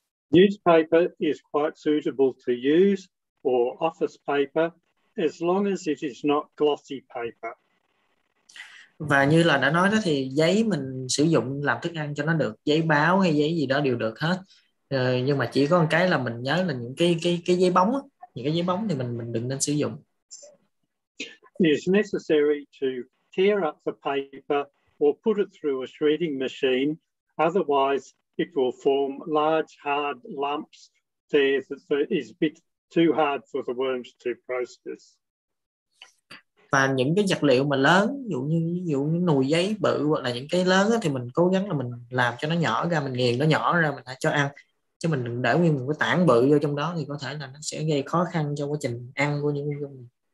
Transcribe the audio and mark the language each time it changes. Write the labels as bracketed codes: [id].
[en] Newspaper is quite suitable to use, or office paper, as long as it is not glossy paper. [vi] Và như là đã nói đó thì giấy mình sử dụng làm thức ăn cho nó được, giấy báo hay giấy gì đó đều được hết. Nhưng mà chỉ có một cái là mình nhớ là những cái giấy bóng đó, những cái giấy bóng thì mình đừng nên sử dụng. [en] It is necessary to tear up the paper or put it through a shredding machine, otherwise it will form large hard lumps there that is bit too hard for the worms to process. [vi] Và những cái vật liệu mà lớn, ví dụ như những nồi giấy bự hoặc là những cái lớn đó, thì mình cố gắng là mình làm cho nó nhỏ ra, mình nghiền nó nhỏ ra mình hãy cho ăn, chứ mình đừng để nguyên một cái tảng bự vô trong đó thì có thể là nó sẽ gây khó khăn cho quá trình ăn của những con.